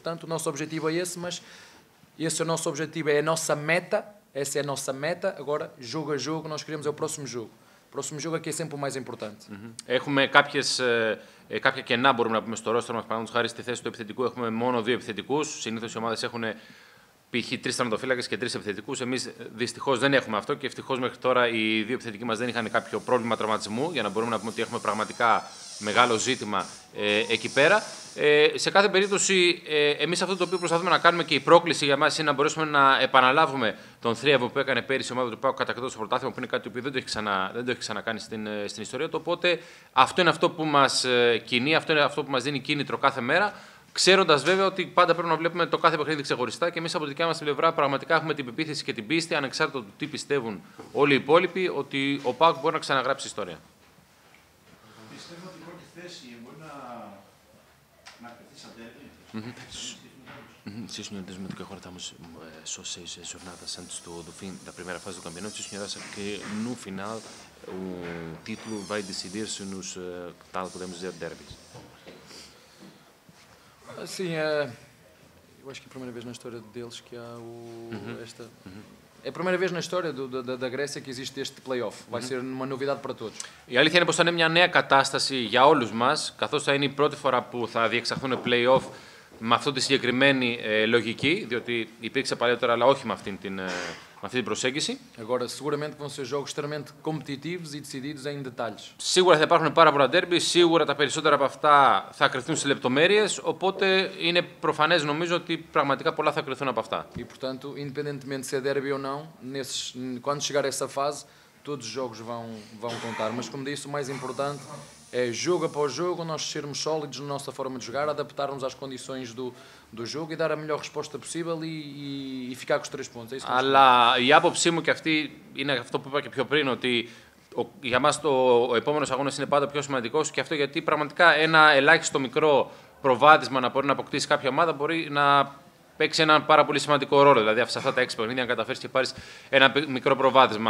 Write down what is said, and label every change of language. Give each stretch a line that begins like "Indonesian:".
Portuguese: Portanto, o nosso objetivo é esse, mas esse é o nosso objetivo, é a nossa meta, essa é a nossa meta. Agora, jogo a jogo, nós queremos é o próximo jogo. O próximo jogo aqui é sempre o mais importante. Uhum.
Greek: Κάποια κενά μπορούμε να πούμε στο roster μας, παραδείγματος χάρη στη θέση του επιθετικού, έχουμε μόνο δύο επιθετικούς. Συνήθως οι ομάδες έχουν π.χ. τρεις τερματοφύλακες και τρεις επιθετικούς. Εμείς δυστυχώς δεν έχουμε αυτό και ευτυχώς μέχρι τώρα οι δύο επιθετικοί μας δεν είχαν κάποιο πρόβλημα τραυματισμού, για να μπορούμε να πούμε ότι έχουμε πραγματικά μεγάλο ζήτημα εκεί πέρα. Σε κάθε περίπτωση, εμείς αυτό το οποίο προσπαθούμε να κάνουμε και η πρόκληση για μας είναι να μπορέσουμε να επαναλάβουμε τον θρίαμβο που έκανε πέρυσι η ομάδα του ΠΑΟΚ κατά το πρωτάθλημα, που είναι κάτι που δεν το έχει ξανακάνει στην ιστορία του. Οπότε αυτό είναι αυτό που μας κινεί, αυτό είναι αυτό που μας δίνει κίνητρο κάθε μέρα. Ξέροντας βέβαια ότι πάντα πρέπει να βλέπουμε το κάθε παιχνίδι ξεχωριστά και εμείς από τη δικιά μας πλευρά πραγματικά έχουμε την πεποίθηση και την πίστη, ανεξάρτητα του τι πιστεύουν όλοι οι υπόλοιποι, ότι ο ΠΑΟΚ μπορεί να ξαναγράψει ιστορία. Πιστεύω ότι η πρώτη θέση μπορεί να κρυφθεί σαν Σε συνοδεύουμε το χώρο μας σε
Portuguese: seis jornadas antes do fim da primeira fase do campeonato. Se senhora sabe que no final o título vai decidir-se nos tal podemos dizer derbys. Sim, eu acho que é a primeira vez na história deles que há esta. É a primeira vez na história da Grécia que existe este playoff. Vai ser uma novidade para todos. E a verdade é que vai ser uma nova catástrofe para todos nós,
Greek: καθώς θα είναι η πρώτη φορά που θα διεξαχθούν playoff με αυτή τη συγκεκριμένη λογική, διότι υπήρξε παλιότερα, αλλά όχι με αυτή την προσέγγιση.
Portuguese: Agora, seguramente vão ser jogos extremamente competitivos e decididos em detalhes.
Greek: Σίγουρα θα υπάρχουν πάρα πολλά ντέρμπι, σίγουρα τα περισσότερα από αυτά θα κρυθούν σε λεπτομέρειες, οπότε είναι προφανές νομίζω ότι πραγματικά πολλά θα κρυθούν από αυτά.
Portuguese: E, portanto, independentemente se é derby ou não, quando chegar a essa fase, todos os jogos vão contar. Mas, como disse, o mais importante é jogo após jogo, nós sermos sólidos na nossa forma de jogar, adaptarmos às condições do jogo e dar a melhor resposta possível e ficar com os três pontos. É isso.
Greek: Αλλά η άποψή μου και αυτή είναι αυτό που είπα και πιο πριν, ότι για μας ο επόμενος αγώνας είναι πάντα πιο σημαντικός και αυτό γιατί πραγματικά ένα ελάχιστο μικρό προβάδισμα να μπορεί να αποκτήσει κάποια ομάδα μπορεί να παίξει έναν πάρα πολύ σημαντικό ρόλο. Δηλαδή, σε αυτά τα έξι παιχνίδια, αν καταφέρεις και πάρεις ένα μικρό προβάδισμα.